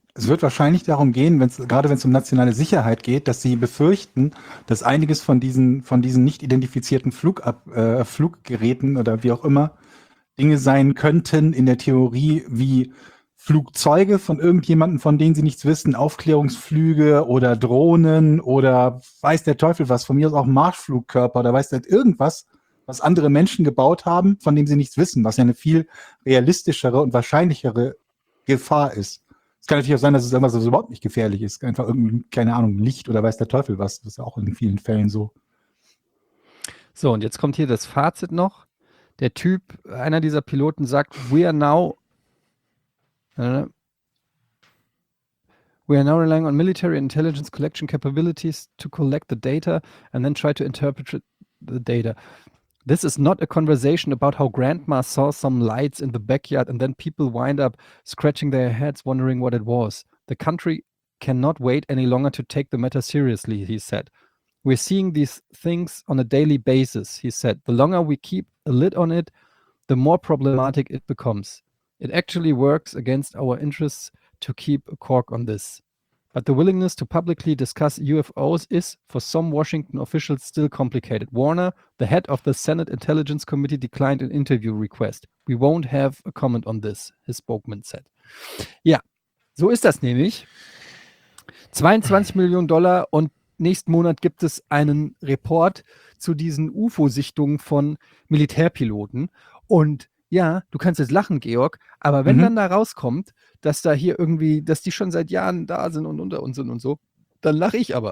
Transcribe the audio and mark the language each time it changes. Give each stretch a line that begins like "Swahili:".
German: Es wird wahrscheinlich darum gehen, wenn es um nationale Sicherheit geht, dass sie befürchten, dass einiges von diesen nicht identifizierten Fluggeräten oder wie auch immer Dinge sein könnten in der Theorie wie Flugzeuge von irgendjemanden, von denen sie nichts wissen, Aufklärungsflüge oder Drohnen oder weiß der Teufel was, von mir aus auch Marschflugkörper oder weiß der irgendwas, was andere Menschen gebaut haben, von dem sie nichts wissen, was ja eine viel realistischere und wahrscheinlichere Gefahr ist. Es kann natürlich auch sein, dass es irgendwas, was überhaupt nicht gefährlich ist, einfach irgendwie, keine Ahnung, Licht oder weiß der Teufel was, das ist ja auch in vielen Fällen so. So, und jetzt kommt hier das Fazit noch. Der Typ, einer dieser Piloten sagt,
English: we are now We are now relying on military intelligence collection capabilities to collect the data and then try to interpret the data. This is not a conversation about how grandma saw some lights in the backyard and then people wind up scratching their heads wondering what it was. The country cannot wait any longer to take the matter seriously, he said. We're seeing these things on a daily basis, he said. The longer we keep a lid on it, the more problematic it becomes. It actually works against our interests to keep a cork on this. But the willingness to publicly discuss UFOs is, for some Washington officials, still complicated. Warner, the head of the Senate Intelligence Committee, declined an interview request. We won't have a comment on this, his spokesman said.
German: Ja, so ist das nämlich. 22 Millionen Dollar und nächsten Monat gibt es einen Report zu diesen UFO-Sichtungen von Militärpiloten. Und ja, du kannst jetzt lachen, Georg, aber wenn dann da rauskommt, dass da hier irgendwie, dass die schon seit Jahren da sind und unter uns sind und so, dann lache ich aber.